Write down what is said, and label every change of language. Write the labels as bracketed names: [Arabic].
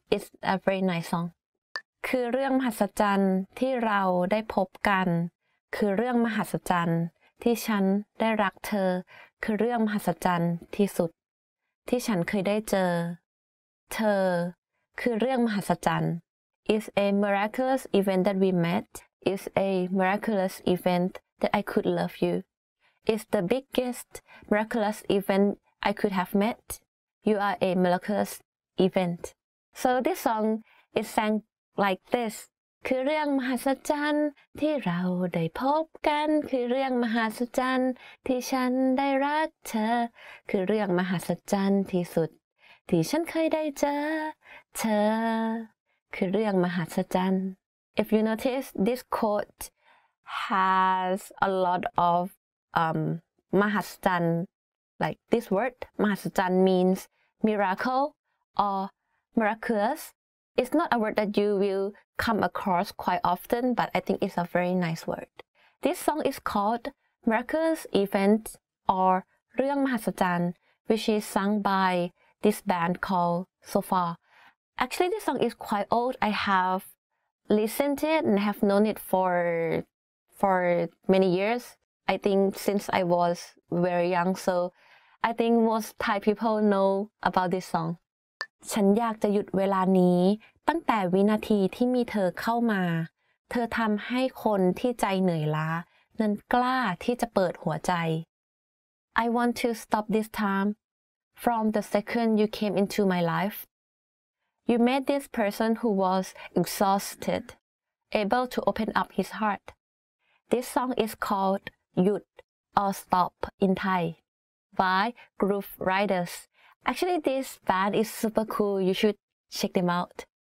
[English] It's a very nice song. [Thai] คือเรื่องมหัศจรรย์ที่เราได้พบกันคือเรื่องมหัศจรรย์ที่ฉันได้รักเธอคือเรื่องมหัศจรรย์ที่สุดที่ฉันเคยได้เจอเธอคือเรื่องมหัศจรรย์ [English] It's a miraculous event that we met. It's a miraculous event that I could love you. It's the biggest miraculous eventI could have met. You are a miraculous event. So this song is sang like this. [Thai] คือเรื่องมหัศจรรย์ที่เราได้พบกันคือเรื่องมหัศจรรย์ที่ฉันได้รักเธอคือเรื่องมหัศจรรย์ที่สุดที่ฉันเคยได้เจอเธอ คือเรื่องมหัศจรรย์ [English] If you notice this quote has a lot of มหัศจรรย์ like this word มหัศจรรย์ means miracle or miraculous it's not a word that you willcome across quite often, but I think it's a very nice word. This song is called Miraculous Event or เรื่องมหัศจรรย์ which is sung by this band called SOFA. Actually, this song is quite old. I have listened to it and have known it for many years. I think since I was very young, so I think most Thai people know about this song. [Thai] ฉันอยากจะหยุดเวลานี้ตั้งแต่วินาทีที่มีเธอเข้ามาเธอทำให้คนที่ใจเหนื่อยล้านั้นกล้าที่จะเปิดหัวใจ [English] I want to stop this time from the second you came into my life. You made this person who was exhausted able to open up his heart. This song is called หยุด or Stop in Thai by Groove Riders. Actually, this band is super cool. You should check them out.